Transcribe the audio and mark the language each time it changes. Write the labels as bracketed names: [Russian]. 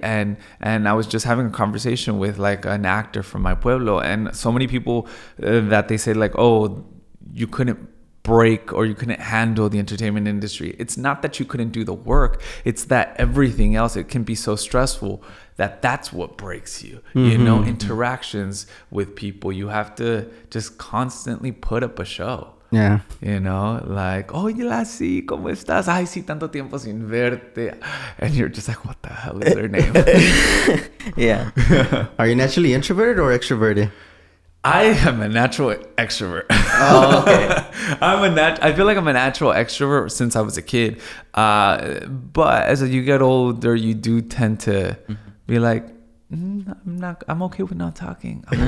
[English] And I was just having a conversation with, like, an actor from my pueblo, and so many people that they say, like, oh, you couldn't break or you couldn't handle the entertainment industry. It's not that you couldn't do the work, it's that everything else, it can be so stressful that that's what breaks you. You know, interactions with people, you have to just constantly put up a show. Yeah. You know, like, [Spanish] oye, Lassi, ¿cómo estás? Ay, sí, tanto tiempo sin verte. [English] And you're just like, what the hell is their name? Yeah. Are you naturally introverted or extroverted? I am a natural extrovert. Oh, okay. I feel like I'm a natural extrovert since I was a kid. But as you get older, you do tend to be like, I'm okay with not talking.